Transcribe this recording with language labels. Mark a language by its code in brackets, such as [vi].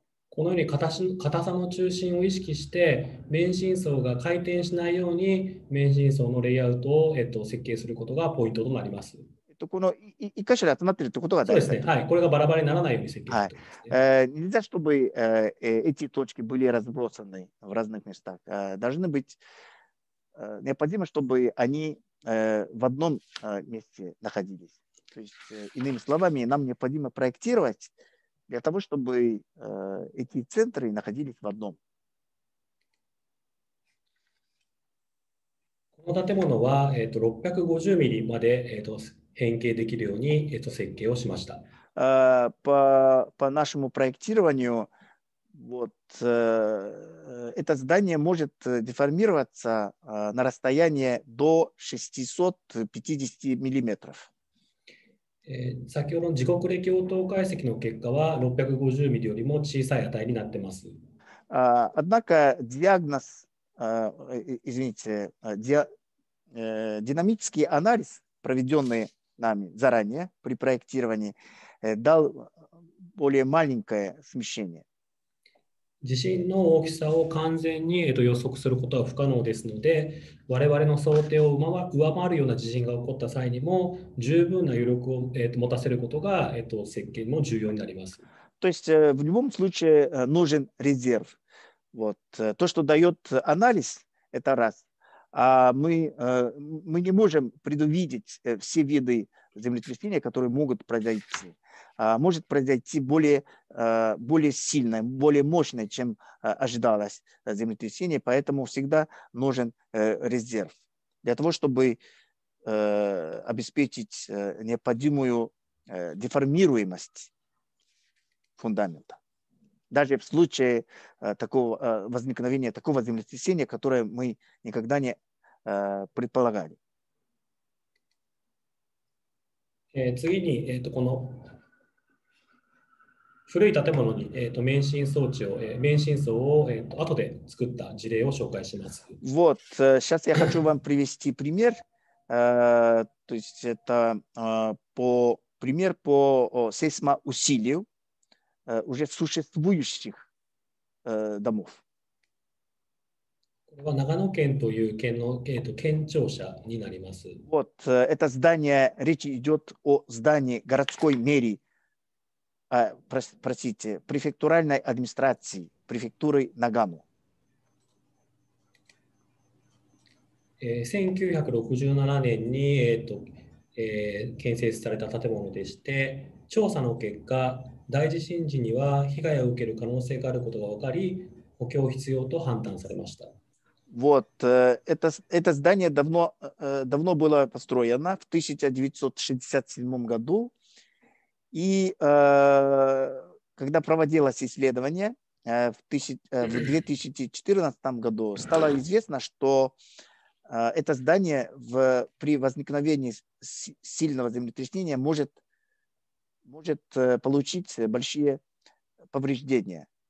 [ja] このように硬さの中心を意識して、免震層が回転しないように免震層のレイアウトを、設計することがポイントとなります。この一箇所で集まっているということが大事ですね。はい、これがバラバラにならないように設計するということですね。はい。 [ru] Нельзя, чтобы эти точки были разбросаны в разных местах. Должны быть необходимо, чтобы они в одном месте находились. То есть, иными словами, нам необходимо проектировать. Для того, чтобы эти центры находились в одном. [ja] この建物は650ミリまで変形できるように設計をしました。 [ru] По нашему проектированию, вот это здание может деформироваться на расстояние до 650 миллиметров. [ja] 先ほどの時刻歴応答解析の結果は650ミリよりも小さい値になってます。 [ru] Однако диагноз, извините, динамический анализ, проведенный нами заранее при проектировании, дал более маленькое смещение. [ja] 地震の大きさを完全に予測することは不可能ですので、我々の想定を上回るような地震が起こった際にも十分な余力を持たせることが設計も重要になります。 [ru] То есть в любом случае нужен резерв. Вот то, что дает анализ, это раз. А мы не можем предвидеть все виды землетрясения, которые могут произойти. Может произойти более сильное, более мощное, чем ожидалось землетрясение, поэтому всегда нужен резерв для того, чтобы обеспечить необходимую деформируемость фундамента, даже в случае такого возникновения такого землетрясения, которое мы никогда не предполагали. [ja] 次に、この古い建物に免震装置を免震層を後で作った事例を紹介します。 [ru] Вот, сейчас я хочу вам привести пример, то есть это пример по сейсмоусилию уже существующих домов. [ja] これは長野県という県の県庁舎になります。 [ru] Вот, это здание, речь идет о здании городской мэрии. Простите, префектуральной администрации, префектуры Нагано. В 1967 году [ja] 建設された建物でして、調査の結果大地震時には被害を受ける可能性があることが分かり、補強必要と判断されました。 [ru] Вот, это здание давно, давно было построено в 1967 году. И когда проводилось исследование в 2014 году, стало известно, что это здание при возникновении сильного землетрясения может получить большие повреждения.